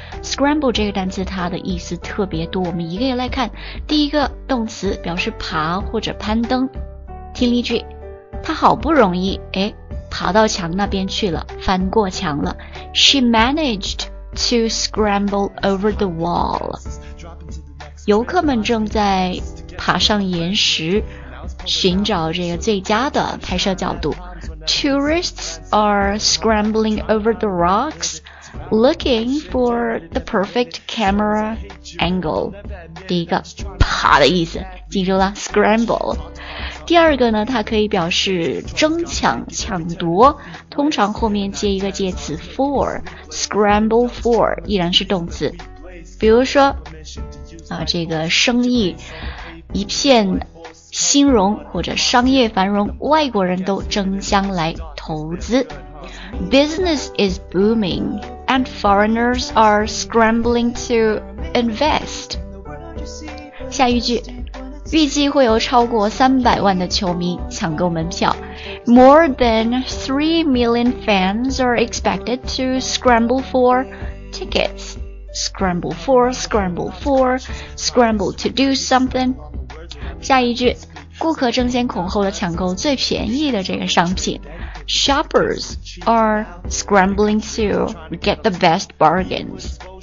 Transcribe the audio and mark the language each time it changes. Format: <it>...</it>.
<zh>Scramble 这个单词它的意思特别多，我们一个一个来看。第一个动词表示爬或者攀登，听例句，他好不容易爬到墙那边去了，翻过墙了。</zh> <en>She managed to scramble over the wall.</en> <zh>游客们正在爬上岩石，寻找这个最佳的拍摄角度。</zh> <en>Tourists are scrambling over the rocks, looking for the perfect camera angle.</en> <zh>第一个，爬的意思，记住了 ,scramble。第二个呢，它可以表示争抢、抢夺，通常后面接一个介词 for,scramble for, 依然是动词。比如说，这个生意一片兴荣或者商业繁荣，外国人都争相来投资。</zh> <en>Business is booming, and foreigners are scrambling to invest.</en> <zh>下一句，预计会有超过300万的球迷抢购门票。</zh> <en>More than 3 million fans are expected to scramble for tickets. Scramble for, scramble for, scramble to do something.</en> <zh>下一句，顾客争先恐后的抢购最便宜的这个商品。</zh> <en>Shoppers are scrambling to get the best bargains.</en>